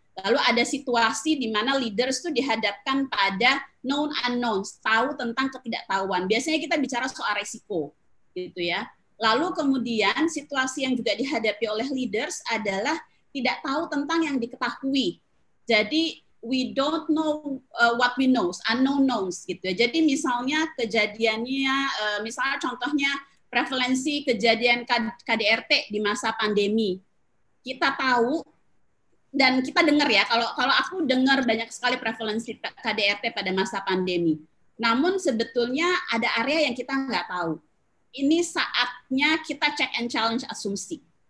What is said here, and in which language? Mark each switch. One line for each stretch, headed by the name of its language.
Indonesian: Lalu ada situasi di mana leaders itu dihadapkan pada known unknowns, tahu tentang ketidaktahuan. Biasanya kita bicara soal risiko gitu ya. Lalu kemudian situasi yang juga dihadapi oleh leaders adalah tidak tahu tentang yang diketahui. Jadi
English: we don't know what we knows, unknown knowns
Indonesian: gitu ya. Jadi misalnya kejadiannya, misalnya contohnya prevalensi kejadian KDRT di masa pandemi. Kita tahu dan kita dengar ya, kalau aku dengar banyak sekali prevalensi KDRT pada masa pandemi. Namun sebetulnya ada area yang kita nggak tahu. Ini saatnya kita
English: check and challenge
Indonesian: asumsi.